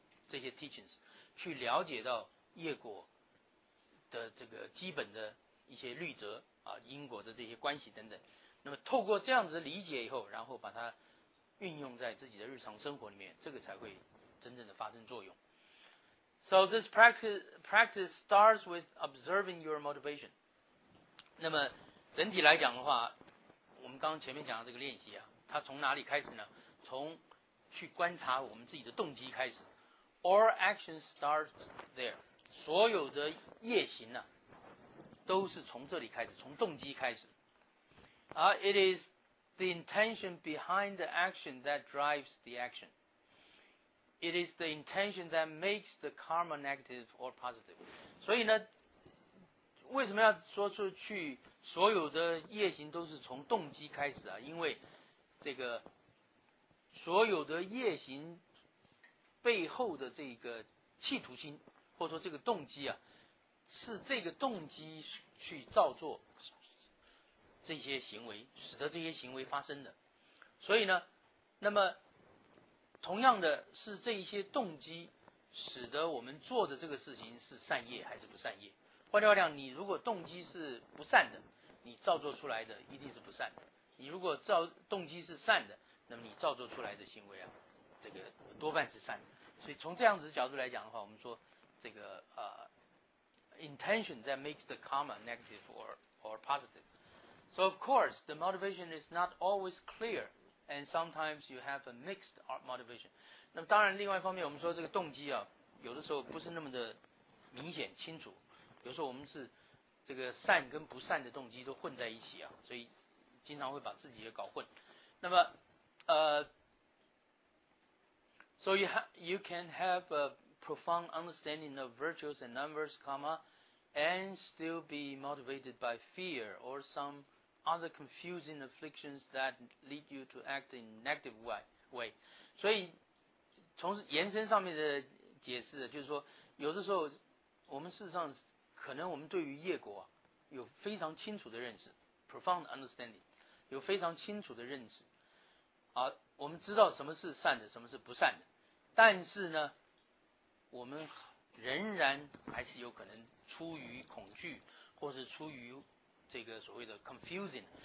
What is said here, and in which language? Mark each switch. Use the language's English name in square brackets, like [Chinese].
[Chinese] 这些 teachings 去了解到业果的这个基本的一些律则啊因果的这些关系等等那么透过这样子理解以后然后把它运用在自己的日常生活里面，这个才会真正的发生作用。 [English] So this practice starts with observing your motivation. [Chinese] 那么整体来讲的话，我们刚刚前面讲的这个练习啊，它从哪里开始呢？从去观察我们自己的动机开始。 [English] All action starts there. [Chinese] 所有的夜行呢、啊，都是从这里开始，从动机开始。 [English] It is the intention behind the action that drives the action. It is the intention that makes the karma negative or positive. [Chinese] 所以呢，为什么要说出去所有的业行都是从动机开始啊？因为这个所有的业行背后的这个企图心，或者说这个动机啊，是这个动机去造作这些行为，使得这些行为发生的。所以呢，那么同样的是这一些动机使得我们做的这个事情是善业还是不善业。换句话讲，你如果动机是不善的，你造作出来的一定是不善的。你如果动机是善的，那么你造作出来的行为啊，这个多半是善的。所以从这样子的角度来讲的话，我们说这个 [English] intention that makes the karma negative or positive. So of course, the motivation is not always clear, and sometimes you have a mixed motivation. [Chinese] 那么当然，另外一方面，我们说这个动机啊，有的时候不是那么的明显清楚。有时候我们是这个善跟不善的动机都混在一起啊，所以经常会把自己也搞混。那么 [English] So you can have a profound understanding of virtues and numbers, comma, and still be motivated by fear or some other confusing afflictions that lead you to act in negative way. [Chinese] 所以从延伸上面的解释，就是说有的时候我们事实上可能我们对于业果有非常清楚的认识 [English] profound understanding, [Chinese] 有非常清楚的认识啊，我们知道什么是善的，什么是不善的，但是呢，我们仍然还是有可能出于恐惧，或是出于这个所谓的 confusing,